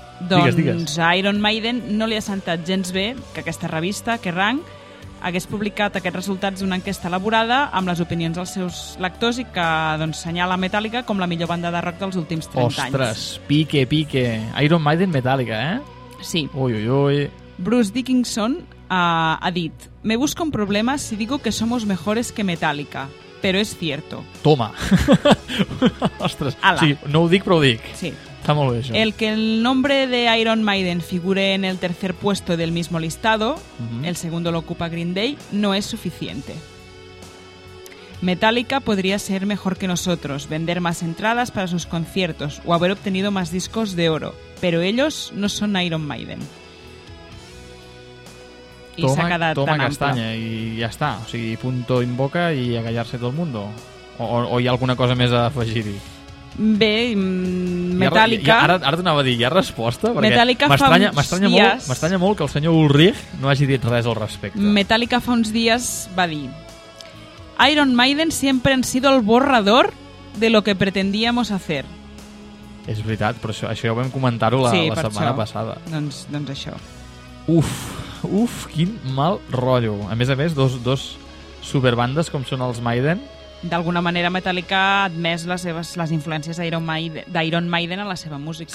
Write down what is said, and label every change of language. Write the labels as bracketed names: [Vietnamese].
[Catalan] Digues. Doncs a Iron Maiden no li ha sentat gens bé que aquesta revista Kerrang hagués publicat aquests resultats d'una enquesta elaborada amb les opinions dels seus lectors i que doncs senyala Metallica com la millor banda de rock dels últims 30 Ostres, anys. Ostres, pique. Iron Maiden, Metallica, eh? Sí. Uy. [Spanish] Bruce Dickinson [Catalan] ha dit: [Spanish] me busco un problema si digo que somos mejores que Metallica, pero es cierto. [Catalan] Toma. Ostres. Ala. Sí, no ho dic, però ho dic. Sí. Está molt bé, això. [Spanish] El que el nombre de Iron Maiden figure en el tercer puesto del mismo listado, el segundo lo ocupa Green Day, no es suficiente. Metallica podría ser mejor que nosotros, vender más entradas para sus conciertos o haber obtenido más discos de oro, pero ellos no son Iron Maiden. Toma, toma castaña y ya está. O sea, punto en boca y a callarse todo el mundo. [Catalan] o hi ha alguna cosa més a afegir-hi? Bé, Metallica... Ara t'anava a dir, hi ha resposta? Perquè Metallica m'estranya molt que el senyor Ulrich no hagi dit res al respecte. [Spanish] Metallica [Catalan] fa uns dies va dir: [Spanish] Iron Maiden siempre han sido el borrador de lo que pretendíamos hacer. [Catalan] És veritat, però això ja ho vam comentar-ho la setmana passada. Doncs això. Uf, quin mal rotllo. A més, dos superbandes com són els Maiden. D'alguna manera Metallica ha admès les influències d'Iron Maiden a la seva música.